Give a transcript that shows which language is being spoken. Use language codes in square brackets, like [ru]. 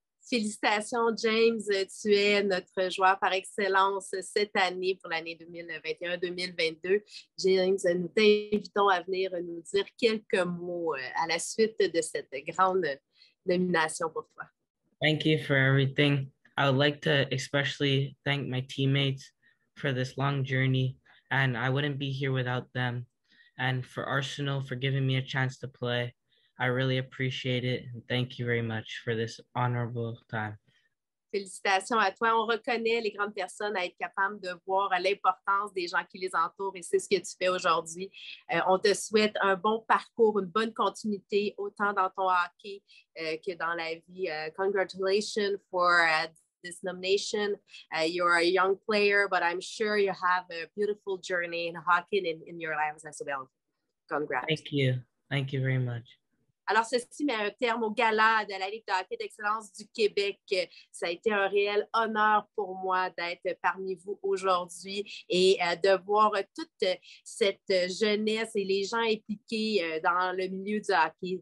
[fr] Félicitations, James. Tu es notre joueur par excellence cette année pour l'année 2021-2022. James, nous t'invitons à venir nous dire quelques mots à la suite de cette grande nomination pour toi. [en] Thank you for everything. I would like to especially thank my teammates for this long journey, and I wouldn't be here without them. And for Arsenal for giving me a chance to play. I really appreciate it. Thank you very much for this honorable time. [fr] Félicitations à toi. On reconnaît les grandes personnes à être capables de voir l'importance des gens qui les entourent et c'est ce que tu fais aujourd'hui. On te souhaite un bon parcours, une bonne continuité, autant dans ton hockey que dans la vie. [en] Congratulations for this nomination. You're a young player, but I'm sure you have a beautiful journey in hockey and in your lives as well. Congrats. Thank you. Thank you very much. [fr] Alors, ceci met un terme au gala de la Ligue de hockey d'excellence du Québec. Ça a été un réel honneur pour moi d'être parmi vous aujourd'hui et de voir toute cette jeunesse et les gens impliqués dans le milieu du hockey.